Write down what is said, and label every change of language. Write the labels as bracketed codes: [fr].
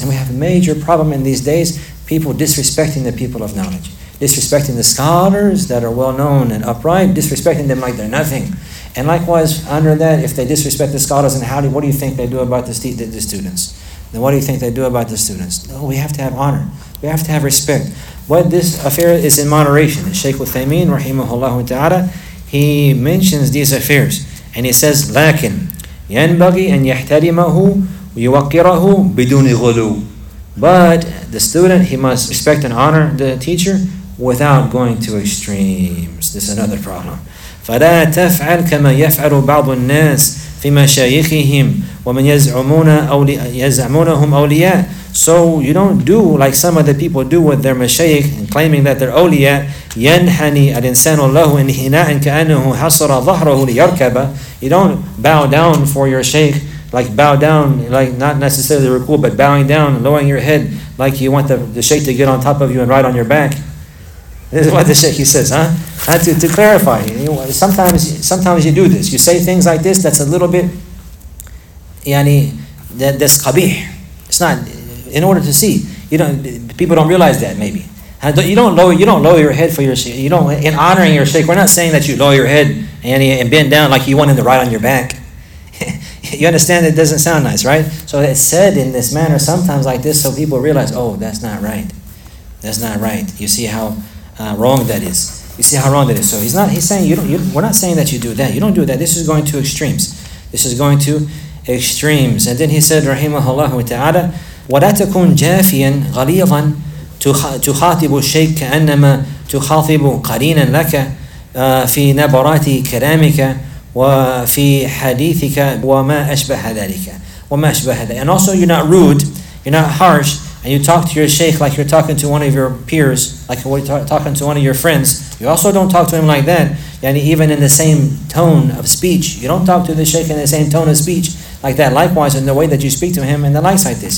[en] And we have a major problem in these days, people disrespecting the people of knowledge, disrespecting the scholars that are well known and upright, disrespecting them like they're nothing. And likewise, under that, if they disrespect the scholars, and what do you think they do about the students? Then what do you think they do about the students? No, we have to have honor. We have to have respect. What this affair is in moderation. Shaykh Uthaymeen, rahimahullah ta'ala, he mentions these affairs. And he says, [ar] لكن ينبغي أن يحترمه ويوقره بدون غلو. [en] But the student, he must respect and honor the teacher without going to extremes. This is another problem. [ar] فلا تفعل كما يفعل بعض الناس في مشايخهم ومن يزعمونهم أولياء. [en] So you don't do like some of the people do with their mashayikh and claiming that they're awliya. [ar] ينحني الإنسان الله انحناء كأنه حصر ظهره ليركبه. [en] You don't bow down for your shaykh, like bow down, like not necessarily ruku, but bowing down and lowering your head like you want the shaykh to get on top of you and ride on your back. This is what the shaykh says, huh? Not to clarify, sometimes you do this. You say things like this, that's a little bit, yani, that's qabih. It's not. In order to see, people don't realize that maybe. You don't lower your head for your shaykh. You don't, in honoring your shaykh, we're not saying that you lower your head and bend down like you want him to ride on your back. You understand it doesn't sound nice, right? So it's said in this manner sometimes like this, so people realize, oh, that's not right. That's not right. You see how wrong that is. You see how wrong that is. So he's saying we're not saying that you do that. You don't do that. This is going to extremes. This is going to extremes. And then he said, [ar] rahimahullah ta'ala, وَلَا تَكُنْ جَافِيًا غَلِيظًا تُخَاطِبُ الشَّيْكَ كَأَنَّمَا تُخَاطِبُ قَرِينًا لَكَ فِي نَبَرَاتِ كَلَامِكَ وَفِي حَدِيثِكَ وَمَا أَشْبَهَ ذَلِكَ وَمَا أَشْبَهَ ذَلِكَ. [en] And also, you're not rude, you're not harsh, and you talk to your shaykh like you're talking to one of your peers, like you're talking to one of your friends. You also don't talk to him like that, yani even in the same tone of speech. You don't talk to the shaykh in the same tone of speech like that. Likewise, in the way that you speak to him and the likes like this.